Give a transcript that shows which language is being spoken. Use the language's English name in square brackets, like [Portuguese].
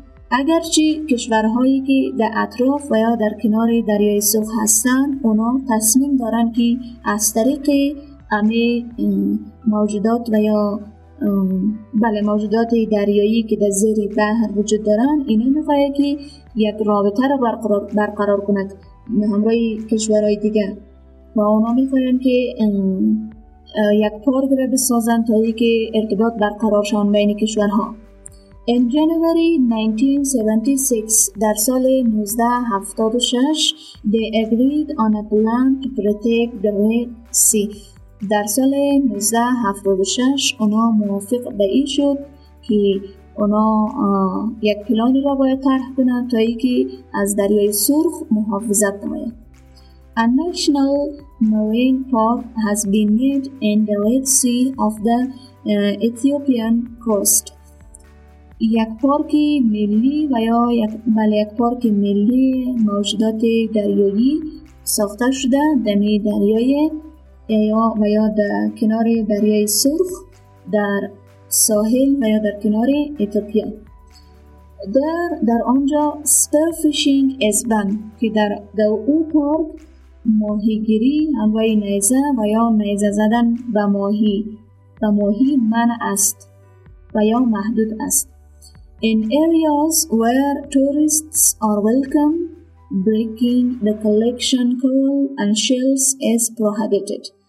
[Persian] اگرچه کشورهایی که در اطراف و یا در کنار دریای سرخ هستند اونا تصمیم دارن که از طریق همه موجودات و یا موجودات دریایی که در زیر بحر وجود دارن اینا میخواهد که یک رابطه را برقرار کند همراه کشورهای دیگر و اونا میخواهند که یک پارک را بسازن تا اینکه ارتباط برقرار شان بین کشورها. [English] In January 1976, [Persian] در سال 1976, [English] they agreed on a plan to protect the Red Sea. [Persian] در سال 1976 اونا موافق به این شد که اونا یک پلانی را باید طرح کنند تا ای که از دریای سرخ محافظت نماید. [English] A national marine park has been made in the Red Sea of the Ethiopian coast. [Persian] یک پارک ملی و یا یک پارک ملی موجودات دریایی ساخته شده دمی دریای و یا در کنار دریای سرخ در ساحل و یا در کنار ایتوپیا. در آنجا [English] spear fishing is banned [Persian] که در او پارک ماهیگیری انواع نیزه و یا نیزه زدن به ماهی منع است و یا محدود است. [English] In areas where tourists are welcome, breaking the collection coral and shells is prohibited.